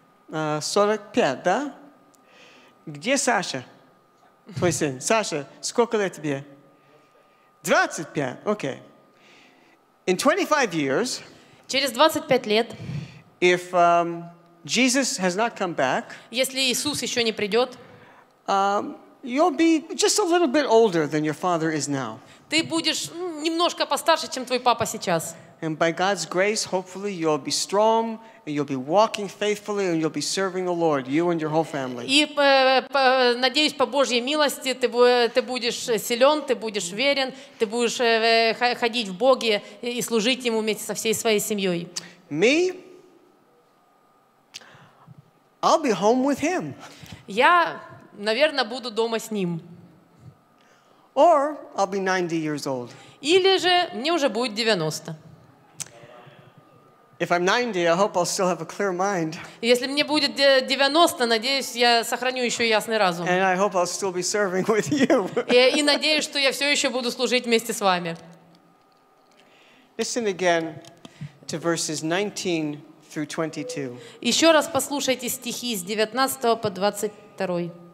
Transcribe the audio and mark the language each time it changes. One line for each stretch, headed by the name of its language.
Russian: 45, да? Где Саша? Твой сын. Саша, сколько лет тебе? 25. Okay.
English: In 25 years,
Russian: через 25 лет,
English: if Jesus has not come back,
Russian: если Иисус еще не придет,
English: you'll be just a little bit older than your father is now.
Russian: Ты будешь немножко постарше, чем твой папа сейчас.
English: And by God's grace, hopefully, you'll be strong, and you'll be walking faithfully, and you'll be serving the Lord, you and your whole family.
Russian: И надеюсь по Божьей милости ты будешь силен, ты будешь верен, ты будешь ходить в Боге и служить Ему вместе со всей своей семьей.
English: Me, I'll be home with Him.
Russian: Я, наверное, буду дома с Ним.
English: Or I'll be 90 years old.
Russian: Или же мне уже будет 90.
English: If I'm 90, I hope I'll still have a clear mind.
Russian: Если мне будет 90, надеюсь, я сохраню еще ясный разум.
English: And I hope I'll still be serving with you.
Russian: И надеюсь, что я все еще буду служить вместе с вами.
English: Listen again to verses 19 through 22.
Russian: Еще раз послушайте стихи с 19 по 22.